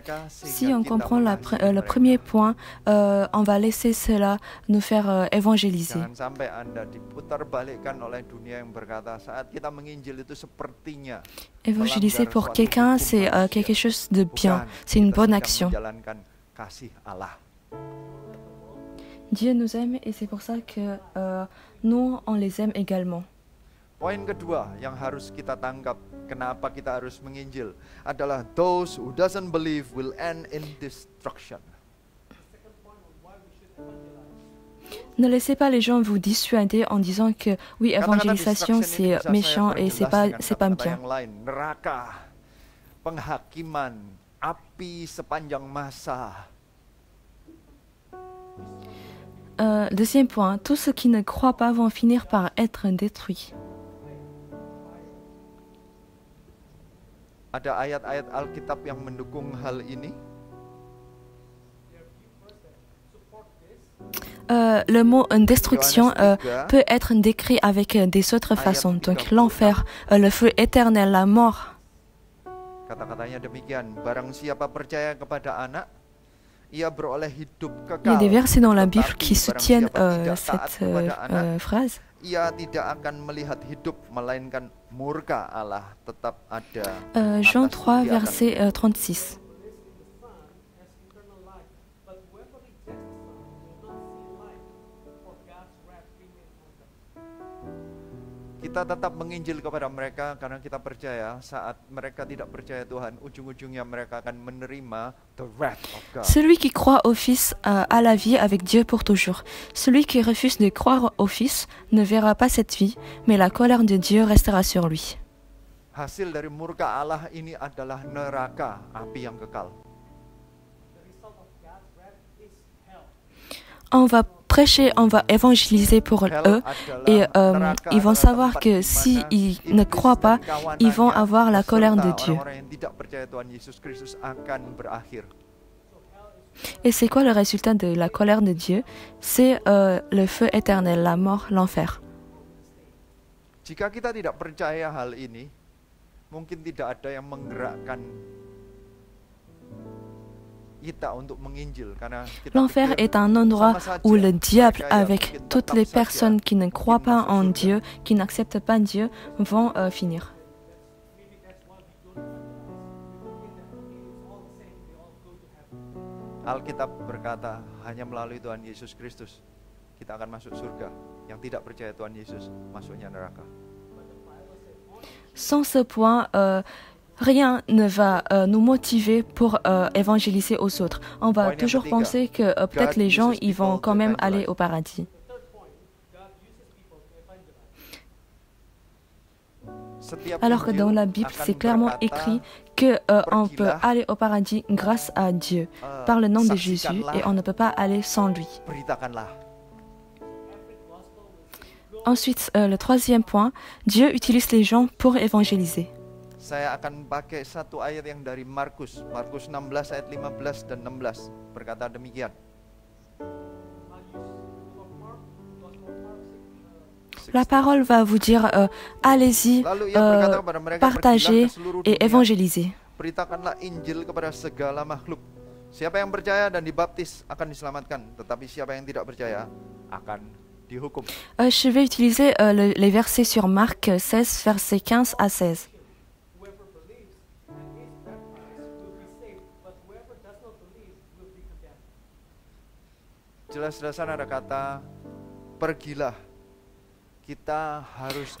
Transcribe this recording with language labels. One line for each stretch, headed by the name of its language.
French: Si on comprend le premier point, on va laisser cela nous faire évangéliser.
Indonesian: Jangan sampai Anda diputarbalikkan oleh dunia yang berkata saat kita menginjil itu sepertinya.
French: Évangéliser pour quelqu'un, c'est quelque chose de bien, c'est une bonne action.
Indonesian: Kasih Allah.
French: Dieu nous aime et c'est pour ça que nous on les aime également.
Indonesian: Poin kedua yang harus kita tangkap kenapa kita harus menginjil adalah
English: those who doesn't believe will end in destruction.
French: Ne laissez pas les gens vous dissuader en disant que oui, évangélisation c'est méchant et c'est pas bien.
Indonesian: Lain, neraka, penghakiman, api sepanjang masa.
French: Deuxième point, tous ceux qui ne croient pas vont finir par être détruits.
Indonesian: Ada ayat-ayat Alkitab yang mendukung hal ini.
French: Le mot « destruction » peut être décrit avec des autres façons, donc l'enfer, le feu éternel, la mort.
Indonesian: Kata-katanya demikian, barang siapa percaya kepada anak, ia beroleh hidup kekal.
French: Il y a des versets dans la Bible qui soutiennent cette phrase.
Indonesian: Ia tidak akan melihat hidup, melainkan murka Allah tetap ada.
French: Jean 3, verset 36.
Indonesian: Kita tetap menginjil kepada mereka karena kita percaya saat mereka tidak percaya Tuhan, ujung-ujungnya mereka akan menerima
English: the wrath of God.
French: Celui qui croit au Fils a la vie avec Dieu pour toujours. Celui qui refuse de croire au Fils ne verra pas cette vie, mais la colère de Dieu restera sur lui.
Indonesian: Hasil dari murka Allah ini adalah neraka, api yang kekal.
French: On va prêcher, on va évangéliser pour eux et ils vont savoir que s'ils ne croient pas, ils vont avoir la colère de Dieu. Et c'est quoi le résultat de la colère de Dieu? C'est le feu éternel, la mort, l'enfer.
Indonesian: Jika kita tidak percaya hal ini, mungkin tidak ada yang menggerakkan kita untuk menginjil, karena kita
French: l'enfer est un endroit où le diable avec toutes les personnes qui ne croient pas en Dieu, qui n'acceptent pas Dieu, vont finir.
Indonesian: Alkitab berkata, hanya melalui Tuhan Yesus Kristus kita akan masuk surga. Yang tidak percaya Tuhan Yesus masuknya neraka.
French: Sans ce point rien ne va nous motiver pour évangéliser aux autres. On va toujours
Indonesian: ketiga,
French: penser que peut-être
English: God
French: les gens ils vont quand même aller au paradis. Alors que dans la Bible, c'est clairement écrit que on peut aller au paradis grâce à Dieu, par le nom de Jésus, et on ne peut pas aller sans lui. Ensuite, le troisième point, Dieu utilise les gens pour évangéliser.
Indonesian: Saya akan pakai satu ayat yang dari Markus, Markus 16 ayat 15 dan 16 berkata demikian.
French: La parole va vous dire allez-y, partagez et évangélisez.
Indonesian: Beritakanlah Injil kepada segala makhluk. Siapa yang percaya dan dibaptis akan diselamatkan, tetapi siapa yang tidak percaya akan dihukum.
French: Je vais utiliser les versets sur Marc 16 verset 15 à 16.
Indonesian: Jelas-jelasan ada kata pergilah. Kita harus.